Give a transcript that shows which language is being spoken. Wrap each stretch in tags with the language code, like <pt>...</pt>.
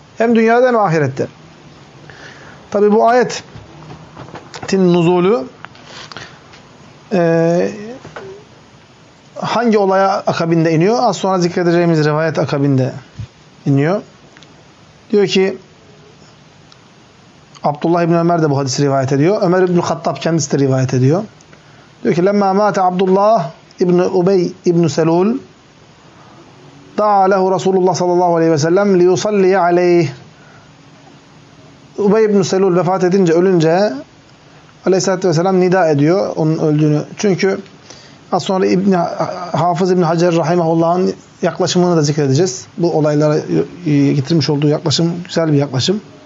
<tr>Hem dünyada hem ahirette. Tabii bu ayetin nuzulu hangi olaya akabinde iniyor? Az sonra zikredeceğimiz rivayet akabinde iniyor. Diyor ki Abdullah İbni Ömer de bu hadisi rivayet ediyor. Ömer İbni Hattab kendisi de rivayet ediyor. Diyor ki</tr> <ar>لَمَّا مَاتَ Abdullah İbni Ubey İbni Selul دَعَى لَهُ رَسُولُ اللّٰهِ صَلَى اللّٰهُ عَلَيْهِ وَسَلَّمْ لِيُصَلِّيَ عَلَيْهِ.</ar> <tr>Ubey İbni Selul vefat edince, ölünce aleyhissalatü vesselam nida ediyor onun öldüğünü. Çünkü az sonra Hafız İbni Hacer Rahimahullah'ın yaklaşımını da zikredeceğiz. Bu olaylara getirmiş olduğu yaklaşım güzel bir yaklaşım.</tr>